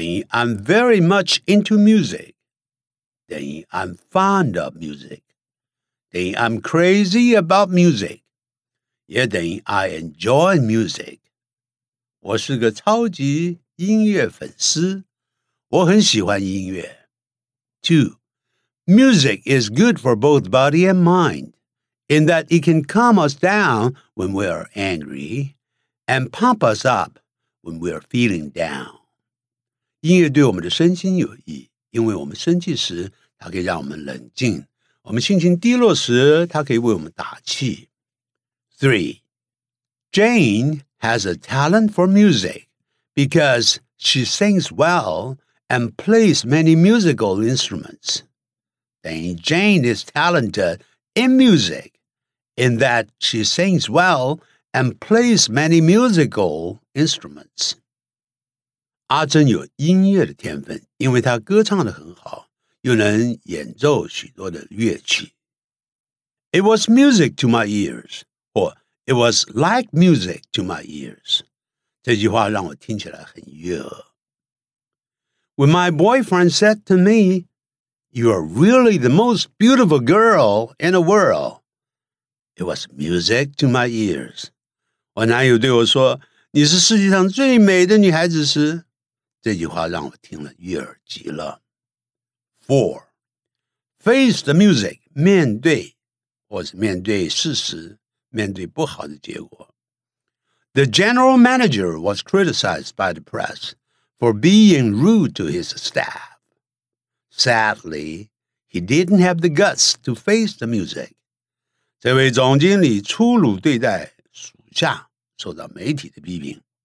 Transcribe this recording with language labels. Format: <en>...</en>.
<en>I'm very much into music. I'm fond of music. I'm crazy about music. I enjoy music.</en> <zh>我是个超级音乐粉丝，我很喜欢音乐。</zh> <en>Two, music is good for both body and mind, in that it can calm us down when we are angry, and pump us up when we are feeling down.</en> <zh>音乐对我们的身心有益，因为我们生气时它可以让我们冷静，我们心情低落时它可以为我们打气。</zh> <en>3. Jane has a talent for music because she sings well and plays many musical instruments. Then Jane is talented in music in that she sings well and plays many musical instruments.</en> <zh>阿珍有音乐的天分，因为她歌唱得很好，又能演奏许多的乐器。</zh> <en>It was music to my ears, or it was like music to my ears.</en> <zh>这句话让我听起来很悦耳。</zh> <en>When my boyfriend said to me, You are really the most beautiful girl in the world. It was music to my ears.</en> <zh>我男友对我说，你是世界上最美的女孩子时，这句话让我听了悦耳极了。</zh> <en>Four, face the music,</en> <zh>面对，或是面对事实，面对不好的结果。</zh> <en>The general manager was criticized by the press for being rude to his staff. Sadly, he didn't have the guts to face the music.</en> <zh>这位总经理粗鲁对待属下，受到媒体的批评。</zh>